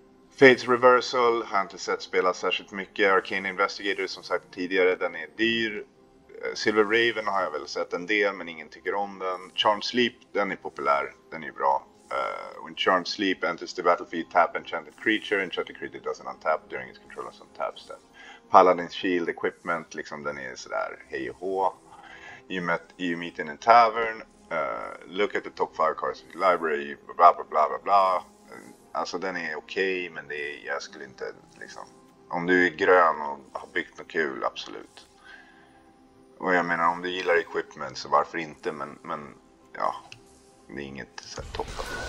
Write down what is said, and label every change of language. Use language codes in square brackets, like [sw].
[sv] Fates Reversal har jag inte sett spelas särskilt mycket. Arcane Investigator, som sagt tidigare, den är dyr. Silver Raven har jag väl sett en del, men ingen tycker om den. Charmed Sleep, den är populär. Den är bra. [en] When Charmed Sleep enters the battlefield, tap Enchanted Creature. Enchanted Creature doesn't untap during its control of some taps step. [sv] Paladin's Shield Equipment, liksom den är sådär hej och hå. [en] You meet in a tavern. Look at the top five cards of your library. Bla bla bla bla bla. [sv] Alltså den är okej, men jag skulle inte liksom. Om du är grön och har byggt något kul, absolut. Och jag menar, om du gillar equipment så varför inte? Men ja, det är inget såhär toppat.